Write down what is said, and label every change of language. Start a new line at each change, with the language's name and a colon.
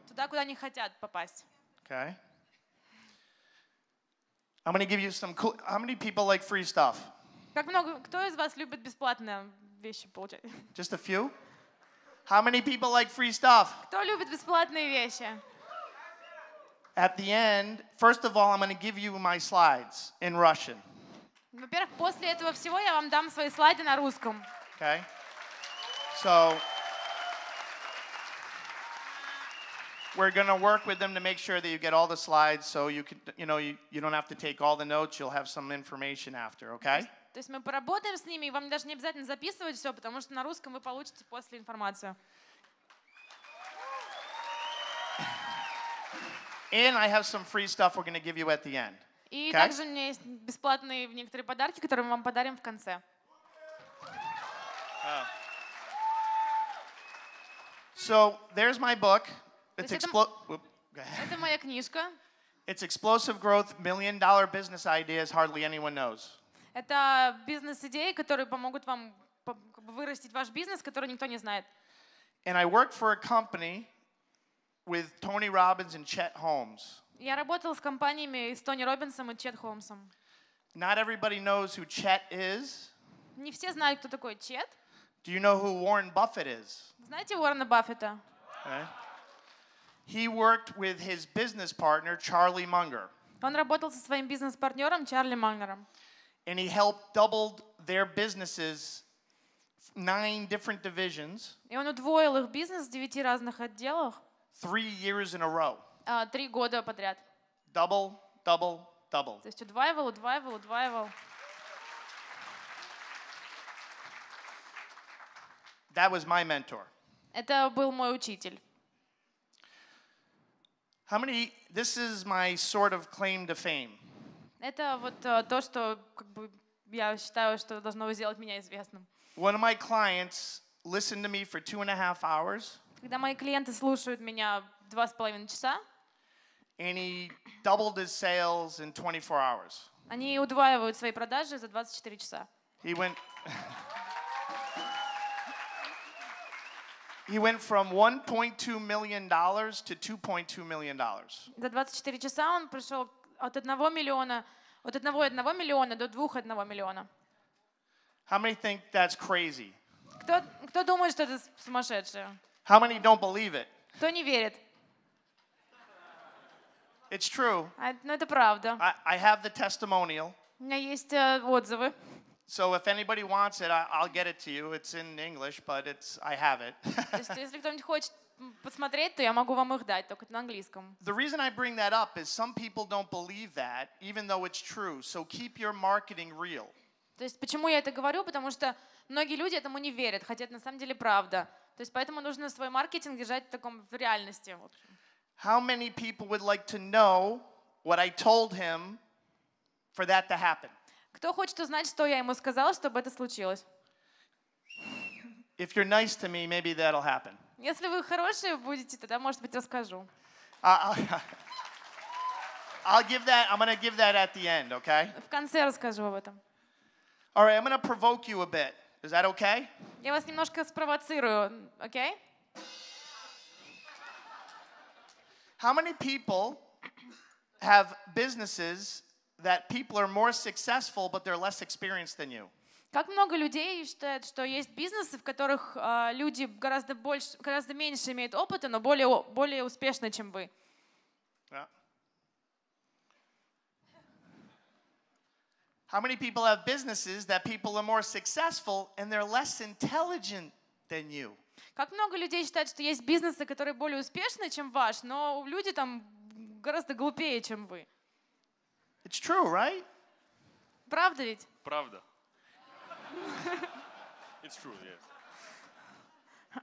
Russian: Туда, куда они хотят попасть.
English: Okay. I'm going to give you some cool. How many people like free stuff?
Russian: Как много? Кто из вас любит бесплатные вещи получать?
English: Just a few. How many people like free stuff?
Russian: Кто любит бесплатные вещи?
English: At the end, first of all, I'm going to give you my slides in Russian.
Russian: Во-первых, после этого всего я вам дам свои слайды на русском.
English: Okay. So we're going to work with them to make sure that you get all the slides, so you can, you don't have to take all the notes. You'll have some information after. Okay.
Russian: То есть мы поработаем с ними, и вам даже не обязательно записывать все, потому что на русском вы получите после информацию.
English: And I have some free stuff we're going to give you at the end.
Russian: И также у меня есть бесплатные некоторые подарки, которые мы вам подарим в конце.
English: So there's my book. It's
Russian: Это моя книжка.
English: It's Explosive Growth, Million Dollar Business Ideas Hardly Anyone Knows.
Russian: Это бизнес-идеи, которые помогут вам вырастить ваш бизнес, который никто не знает.
English: And I work for a company with Tony Robbins and Chet Holmes.
Russian: Я работал с компаниями с Тони Робинсом и Чет Холмсом.
English: Not everybody knows who Chet is.
Russian: Не все знают, кто такой Чет.
English: Do you know who Warren Buffett is?
Russian: Знаете Уоррена Баффета?
English: He worked with his business partner Charlie Munger.
Russian: Он работал со своим бизнес-партнером Чарли Мангером.
English: And he helped double their businesses 9 different divisions.
Russian: И он удвоил их бизнес в 9 разных отделах.
English: 3 years in a row.
Russian: 3 года подряд.
English: Double, double, double.
Russian: То есть удваивал, удваивал, удваивал.
English: That was my mentor.
Russian: Это был мой учитель.
English: How many, this is my sort of claim to fame.
Russian: Это вот то, что как бы я считаю, что должно сделать меня известным.
English: One of my clients listened to me for 2.5 hours.
Russian: Когда мои клиенты слушают меня 2.5 часа.
English: And he doubled his sales in 24 hours.
Russian: Они удваивают свои продажи за 24 часа.
English: He went He went from $1.2 million to $2.2 million.
Russian: За 24 часа он пришел от 1 миллиона, от 1 миллиона до 2 миллиона.
English: How many think that's crazy?
Russian: Кто думает, что это сумасшедшее?
English: How many don't believe it?
Russian: Кто не верит?
English: It's true.
Russian: Но это правда.
English: I have the testimonial.
Russian: У меня есть отзывы.
English: So if anybody wants it, I'll get it to you. It's in English, but it's I have it.
Russian: Если кто-нибудь хочет посмотреть, то я могу вам их дать, только на английском.
English: The reason I bring that up is some people don't believe that, even though it's true. So keep your marketing real.
Russian: То есть почему я это говорю? Потому что многие люди этому не верят, хотя это на самом деле правда. То есть поэтому нужно свой маркетинг держать в таком в реальности.
English: How many people would like to know what I told him for that to happen?
Russian: Кто хочет узнать, что я ему сказал, чтобы это случилось?
English: If you're nice to me, maybe that'll happen.
Russian: Если вы хорошие будете, тогда, может быть, расскажу.
English: I'm going to give that at the end, okay?
Russian: В конце расскажу об этом.
English: All right, I'm going to provoke you a bit. Is that okay?
Russian: Я вас немножко спровоцирую, okay?
English: How many people have businesses that people are more successful, but they're less experienced than you?
Russian: Как много людей считают, что есть бизнесы, в которых люди гораздо больше, гораздо меньше имеют опыта, но более успешны, чем вы?
English: How many people have businesses that people are more successful and they're less intelligent than you?
Russian: Как много людей считают, что есть бизнесы, которые более успешны, чем ваш, но люди там гораздо глупее, чем вы?
English: It's true, right?
Russian: Правда ведь? Правда.
English: It's true, yes.